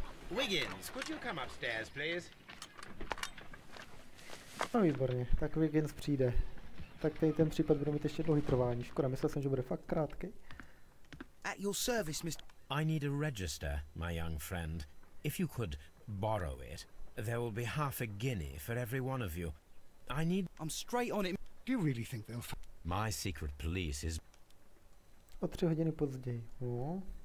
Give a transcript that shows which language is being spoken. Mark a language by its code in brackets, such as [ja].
[en] Wiggins, could you come upstairs, please? [cs] No výborně, tak Wiggins přijde. Tak tady ten případ bude mít ještě dlouhý trvání. Škoda, myslel jsem, že bude fakt krátký. [en] At your service, Mr. I need a register, my young friend. If you could borrow it, there will be half a guinea for every one of you. I need... I'm straight on it. Do you really think they'll... My secret police is... [cs] O 3 hodiny později. Whoa.